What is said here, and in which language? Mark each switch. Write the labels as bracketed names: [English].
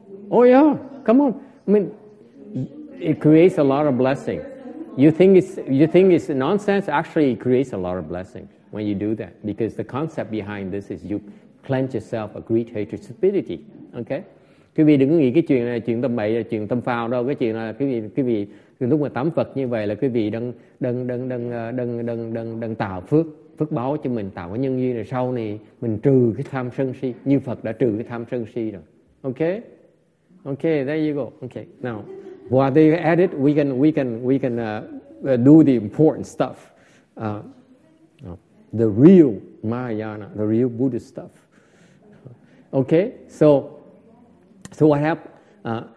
[English] Oh yeah, come on. I mean, it creates a lot of blessing. You think it's nonsense? Actually, it creates a lot of blessing when you do that, because the concept behind this is you cleanse yourself of greed, hatred, stupidity. Okay? [Vietnamese] Quý vị đừng có nghĩ cái chuyện này chuyện tâm bậy, chuyện tâm phao đâu. Cái chuyện là quý vị lúc mà tắm Phật như vậy là quý vị đang tạo phước báo cho mình, tạo cái nhân duyên này, sau này mình trừ cái tham sân si, như Phật đã trừ cái tham sân si rồi. [English] Okay, there you go. Okay, now while they add it, we can do the important stuff, the real Mahayana, the real Buddhist stuff. Okay, so what happened?